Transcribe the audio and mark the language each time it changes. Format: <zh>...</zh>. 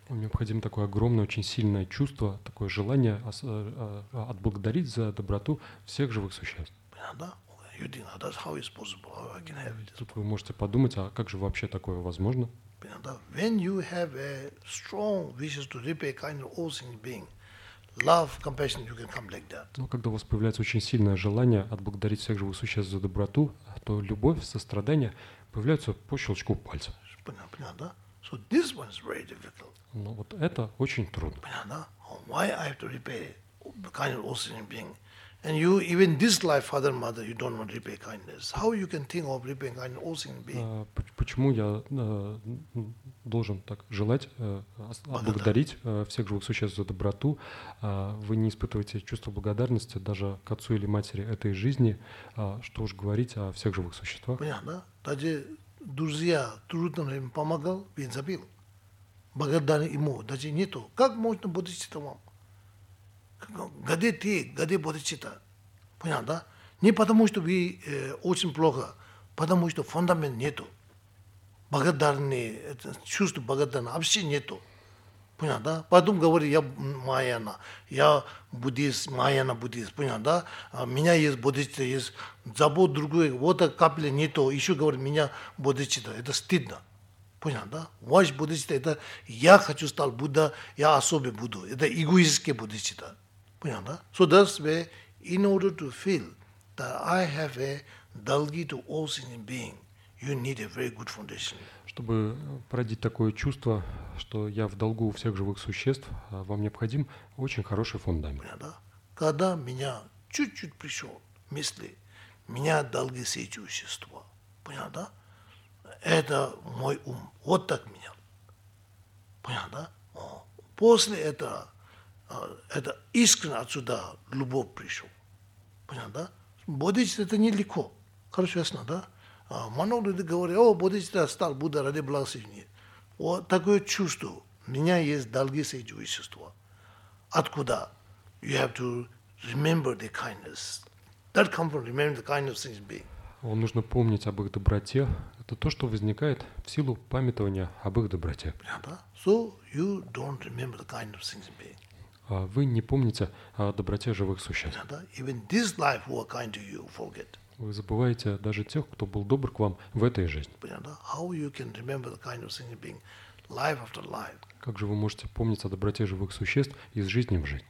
<ru>Вам необходимо такое огромное, очень сильное чувство, такое желание отблагодарить за доброту всех живых существ. Да.</ru> <en>You think that's how it's possible? How I can have it?</en> <ru>Тут вы можете подумать, а как же вообще такое возможно?</ru> <en>When you have a strong wishes to repay kind of all things being, love, compassion, you can come like that.</en> <ru>Но когда у вас появляется очень сильное желание отблагодарить всех живых существ за доброту, то любовь, сострадание появляются по щелчку пальца. Понятно?</ru> <en>So this one is very difficult.</en> <ru>Но вот это очень трудно. Понятно?</ru> <en>Why I have to repay kind of all things being? And you even this life, father and mother, you don't want to repay kindness. How you can think of repaying kindness all things being?</en> <ru>Почему я должен так желать отблагодарить всех живых существ за доброту? Вы не испытываете чувство благодарности даже к отцу или матери этой жизни, что уж говорить о всех живых существах? Понятно, да? Даже друзья трудно им помогал, ведь забил. благодарен ему, даже нету. Как можно бодхичитта вам? Где ты, где бодхичитта? Понял, да? Не потому, что вы очень плохо, потому что фундамент нету. Благодарный, чувство благодарного вообще нету. Понял, да? Потом говорит, я майяна, я буддист, майяна буддист, понял, да? А у меня есть бодхичитта, есть забот другой, вот капля нету, еще говорит, у меня бодхичитта, это стыдно. Понял, да? Ваш бодхичитта, это я хочу стать Будда, я особый Будда. Это эгоистский бодхичитта. Понял, да?</ru> <en>So that's where, in order to feel that I have a долги to all sentient being, you need a very good foundation.</en> <ru>Чтобы породить такое чувство, что я в долгу у всех живых существ, вам необходим очень хороший фундамент. Понял, да? Когда меня чуть-чуть пришел мысли, меня долги все эти существа. Понял, да? Это мой ум. Вот так меня. Понял, да? О. После это искренне отсюда любовь пришел. Понял, да? Бодхичитта это нелегко. Хорошо, ясно, да? Много людей говорят, о, бодхичитта стал Будда ради благословения. Вот такое чувство. У меня есть долги с этим существом. Откуда?</ru> <en>You have to remember the kindness. That comes from remembering the kindness of being.</en> <ru>Вам нужно помнить об их доброте. Это то, что возникает в силу памятования об их доброте.</ru> <en>So you don't remember the kind of things being.</en> <ru>Вы не помните о доброте живых существ.</ru> <en>Even this life who are kind to you forget.</en> <ru>Вы забываете даже тех, кто был добр к вам в этой жизни.</ru> <en>How you can remember the kind of things being life after life?</en> <ru>Как же вы можете помнить о доброте живых существ из жизни в жизнь?</ru>